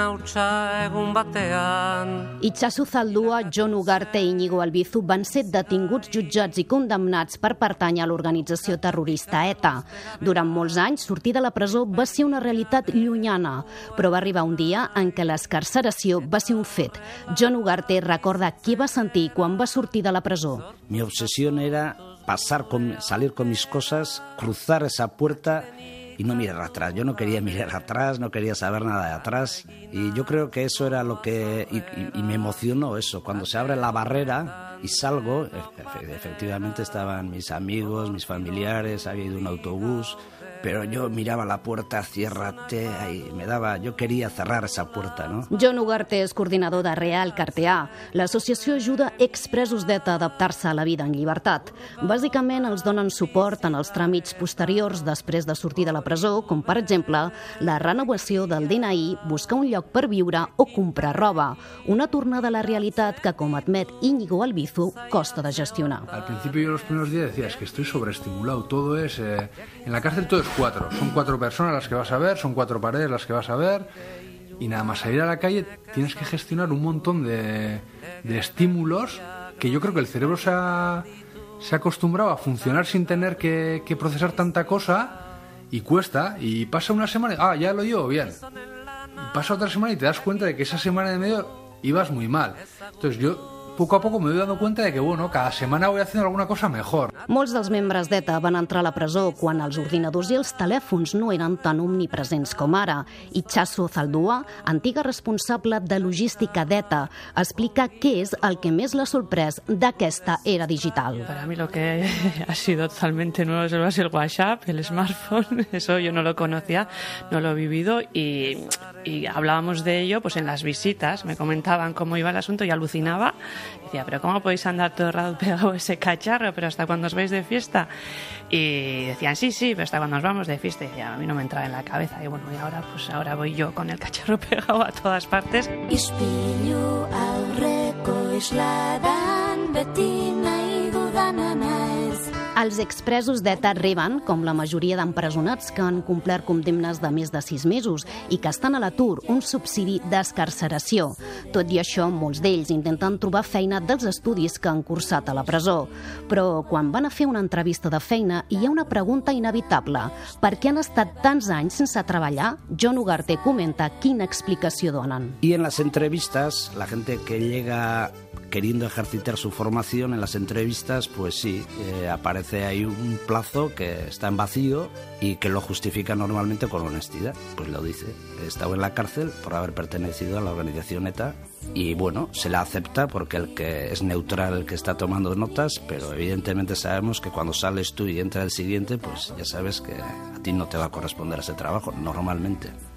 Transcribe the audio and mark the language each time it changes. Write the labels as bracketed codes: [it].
[ca] Itxaso Zaldúa, Jon Ugarte i Íñigo Arbizu van ser detinguts, jutjats i condemnats per pertànyer a l'organització terrorista ETA. Durant molts anys, sortir de la presó va ser una realitat llunyana, però va arribar un dia en què l'escarceració va ser un fet. Jon Ugarte recorda què va sentir quan va sortir de la presó. [es] Mi obsesión era pasar con salir con mis cosas, cruzar esa puerta y no mirar atrás. Yo no quería mirar atrás, no quería saber nada de atrás. Y yo creo que eso era lo que... Y me emocionó eso. Cuando se abre la barrera y salgo, efectivamente estaban mis amigos, mis familiares, había ido un autobús, pero yo miraba la puerta, ciérrate, y me daba... Yo quería cerrar esa puerta, ¿no? [ca] John Ugarte és coordinador de Real Cartea. L'associació ajuda expresos d'ET a adaptar-se a la vida en llibertat. Bàsicament, els donen suport en els tràmits posteriors després de sortir de la presó, com, per exemple, la renovació del DNI, buscar un lloc per viure o comprar roba. Una tornada a la realitat que, com admet Íñigo Albizu, costa de gestionar. Al principi, jo, [es] los primeros días, decía, es que estoy sobreestimulado. Todo es... En la cárcel, todo cuatro, son cuatro personas las que vas a ver, son cuatro paredes las que vas a ver, y nada más salir a la calle tienes que gestionar un montón de estímulos que yo creo que el cerebro se ha acostumbrado a funcionar sin tener que procesar tanta cosa, y cuesta, y pasa una semana, ah, ya lo llevo bien, y pasa otra semana y te das cuenta de que esa semana de medio ibas muy mal. Entonces yo poco a poco me he dado cuenta de que, bueno, cada semana voy haciendo alguna cosa mejor. [ca] Molts dels membres d'ETA van entrar a la presó quan els ordinadors i els telèfons no eren tan omnipresents com ara. I Chasso Zaldúa, antiga responsable de logística d'ETA, explica què és el que més l'ha sorprès d'aquesta era digital. Per a mi [es] lo que ha sido totalmente nuevo es el WhatsApp, el smartphone. Eso yo no lo conocía, no lo he vivido. Y hablábamos de ello pues en las visitas. Me comentaban cómo iba el asunto y alucinaba. Decía, pero ¿cómo podéis andar todo el rato pegado a ese cacharro? ¿Pero hasta cuando os vais de fiesta? Y decían, sí, sí, pero hasta cuando nos vamos de fiesta. Y decía, a mí no me entraba en la cabeza. Y bueno, y ahora, pues ahora voy yo con el cacharro pegado a todas partes. [eu] Ispillo aurreko isladan beti nahi dudanan aiz. [ca] Els expresos d'ETA arriben, com la majoria d'empresonats que han complert condemnes de més de 6 mesos i que estan a l'atur, un subsidi d'escarceració. Tot i això, molts d'ells intenten trobar feina dels estudis que han cursat a la presó. Però quan van a fer una entrevista de feina, hi ha una pregunta inevitable. Per què han estat tants anys sense treballar? John Ugarte comenta quina explicació donen. I en les entrevistes, la gent que [es] llega queriendo ejercitar su formación en las entrevistas, pues sí, aparece ahí un plazo que está en vacío y que lo justifica normalmente con honestidad. Pues lo dice, he estado en la cárcel por haber pertenecido a la organización ETA y bueno, se la acepta porque el que es neutral, el que está tomando notas, pero evidentemente sabemos que cuando sales tú y entra el siguiente, pues ya sabes que a ti no te va a corresponder ese trabajo normalmente.